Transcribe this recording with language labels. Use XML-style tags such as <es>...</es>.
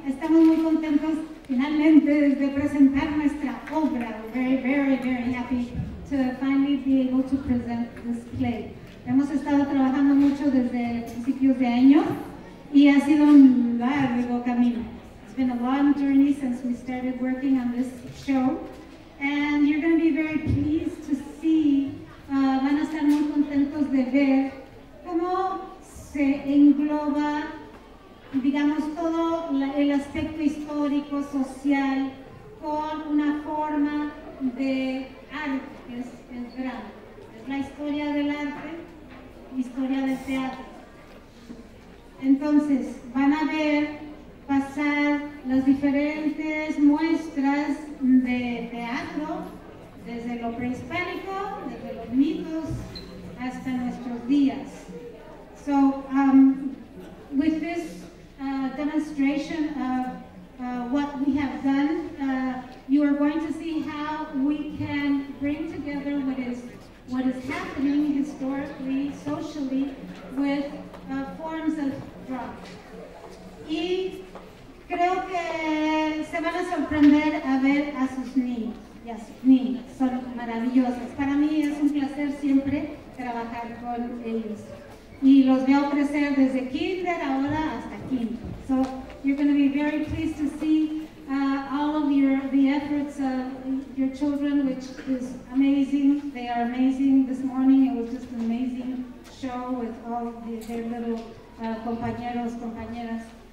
<es>Estamos muy contentos finalmente de presentar nuestra obra.</es> <en>We're very, very, very happy to finally be able to present this play.</en> <es>Hemos estado trabajando mucho desde principios de año y ha sido un largo camino.</es> <en>It's been a long journey since we started working on this show. And you're going to be very pleased to see,</en> <es>van a estar muy contentos de ver cómo se engloba, digamos, todo el aspecto histórico, social, con una forma de arte, que es el drama. Es la historia del arte, historia del teatro. Entonces, van a ver pasar las diferentes muestras de teatro, desde lo prehispánico, desde los mitos, hasta nuestros días.</es> <en>So, with this demonstration of what we have done, you are going to see how we can bring together what is happening historically, socially, with forms of drama.</en> <es>Y creo que se van a sorprender a ver a sus niños. Yes, niños son maravillosas. Para mí es un placer siempre trabajar con ellos. Y los veo crecer desde kinder ahora hasta quinto.</es> <en>So you're going to be very pleased to see all of the efforts of your children, which is amazing. They are amazing this morning. It was just an amazing show with all their little compañeros, compañeras.</en>